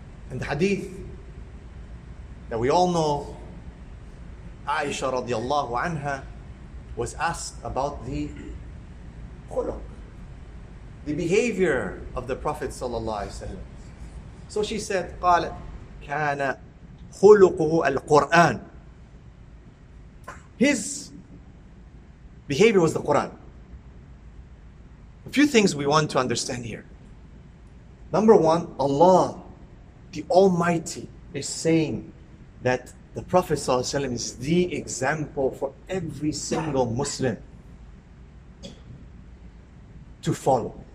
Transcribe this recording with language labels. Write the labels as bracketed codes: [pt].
[en] And the hadith that we all know, Aisha radiallahu anha was asked about the khuluq, the behavior of the Prophet sallallahu alaihi wasallam. So she said, [ar] قال كان خلقه القرآن. [en] His behavior was the Quran. A few things we want to understand here. Number one, Allah, the Almighty, is saying that the Prophet ﷺ is the example for every single Muslim to follow.